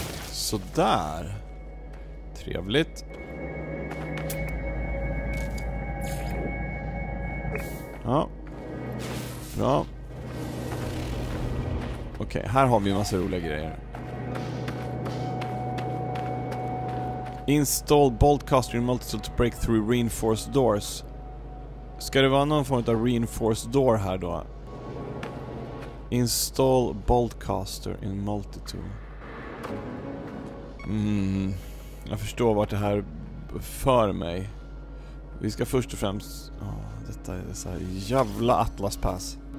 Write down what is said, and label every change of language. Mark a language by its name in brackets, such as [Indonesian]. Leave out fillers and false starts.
[Swedish] Sådär. Trevligt. Ja. Bra. Okej, här har vi en massa roliga grejer. [English] Install bolt caster in multi-tool to break through reinforced doors. [Swedish] Ska det vara någon form av reinforced door här då? [English] Install bolt caster in multi-tool. [Swedish] Jag förstår vart det här för mig. Vi ska först och främst... Oh, detta är så här jävla atlaspass.